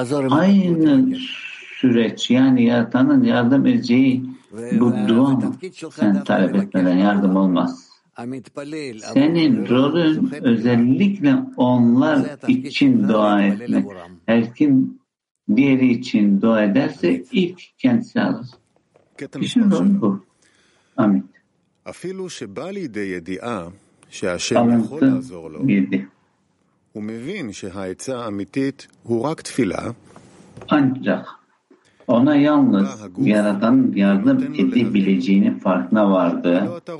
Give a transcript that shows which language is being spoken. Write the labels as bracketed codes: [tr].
[tr] Aynı süreç, yani yaratanın yardım edeceği bu dua mı? Sen talep etmeden yardım olmaz. Senin rolün özellikle onlar için dua etmek. Her kim diğeri için dua ederse ilk kendisi alır. İşin rolü bu. Amin. [he] Afilu şebali de yediğe שהשם יכול לעזור לו, הוא מבין שהעצה האמיתית הוא רק תפילה. [tr] Ancak ona yalnız yaratanın yardım edebileceğini farkına vardı.